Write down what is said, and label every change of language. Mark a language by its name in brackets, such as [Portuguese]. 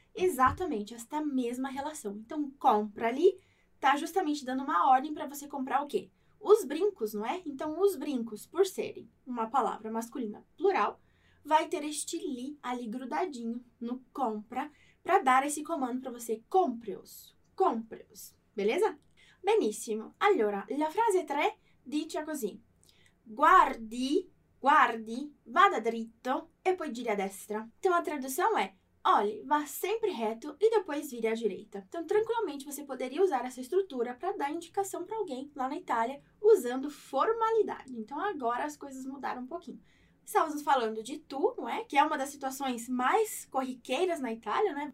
[Portuguese] Exatamente, esta mesma relação. Então, compra ali tá justamente dando uma ordem para você comprar o quê? Os brincos, não é? Então, os brincos, por serem uma palavra masculina plural, vai ter este li ali grudadinho no compra para dar esse comando para você: compre-os. Compre-os. Beleza? Benissimo. [Italian] Allora, la frase 3 dice così: Guardi, guardi, vada dritto e poi giri a destra. [Portuguese] Então a tradução é: olhe, vá sempre reto e depois vire à direita. Então, tranquilamente, você poderia usar essa estrutura para dar indicação para alguém lá na Itália, usando formalidade. Então, agora as coisas mudaram um pouquinho. Estávamos falando de tu, não é? Que é uma das situações mais corriqueiras na Itália, né?